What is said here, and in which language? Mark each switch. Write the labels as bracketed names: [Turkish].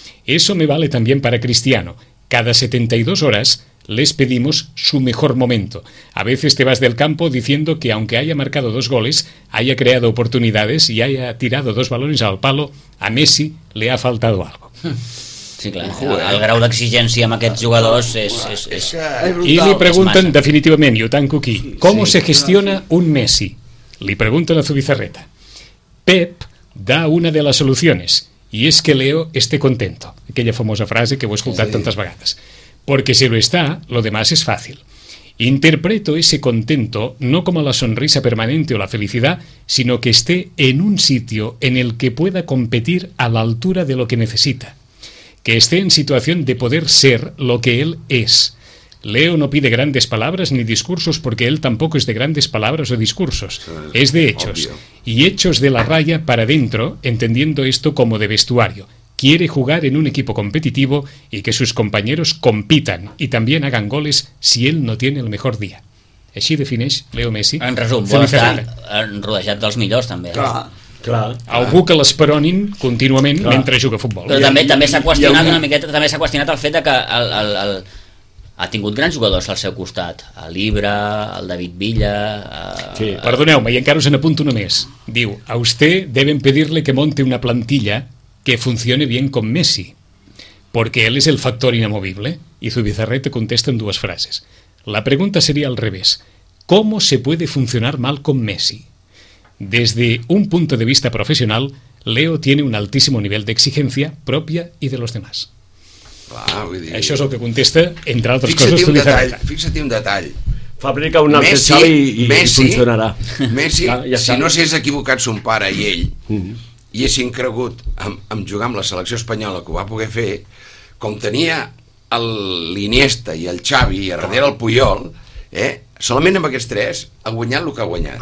[Spanish] Eso me vale también para Cristiano. Cada 72 horas les pedimos su mejor momento. A veces te vas del campo diciendo que aunque haya marcado 2 goles, haya creado oportunidades y haya tirado 2 balones al palo, a Messi le ha faltado algo. [Catalan] Sí, clar, el grau d'exigència amb aquests jugadors és brutal. I li pregunten definitivament, i ho tanco aquí, com se gestiona un Messi? Li pregunten a Zubizarreta. [Spanish] Pep da una de las soluciones, y es que Leo esté contento, aquella famosa frase que he escuchado tantas vegades. Porque si lo está, lo demás es fácil. Interpreto ese contento no como la sonrisa permanente o la felicidad, sino que esté en un sitio en el que pueda competir a la altura de lo que necesita. Que esté en situación de poder ser lo que él es. Leo no pide grandes palabras ni discursos porque él tampoco es de grandes palabras o discursos. Es de hechos. Obvio. Y hechos de la raya para adentro, entendiendo esto como de vestuario. Quiere jugar en un equipo competitivo y que sus compañeros compitan y también hagan goles si él no tiene el mejor día. [Catalan] Així defineix Leo Messi. En resum, vol estar rodejat dels millors també. Clar. Clar. Algú que l'esperonin contínuament mentre juga a futbol. Però també s'ha qüestionat una miqueta, també s'ha qüestionat el fet que el ha tingut grans jugadors al seu costat, el Ibra, el David Villa... Sí, perdoneu-me, i encara us en apunto només. [Spanish] Diu, a usted deben pedirle que monte una plantilla que funcione bien con Messi, porque él es el factor inamovible. Y Zubizarreta contesta en 2 frases. La pregunta sería al revés. ¿Cómo se puede funcionar mal con Messi? Desde un punto de vista profesional, Leo tiene un altísimo nivel de exigencia propia y de los demás. [Catalan] Va, això és el que contesta, entre altres fixa't coses. Fixa-t'hi un detall. Fabrica un altre xavi i funcionarà. Messi, ja si no s'hagués equivocat son pare i ell, i haguessin cregut en jugar amb la selecció espanyola, que ho va poder fer, com tenia l'Iniesta i el Xavi i darrere el Puyol, solament amb aquests tres ha guanyat el que ha guanyat.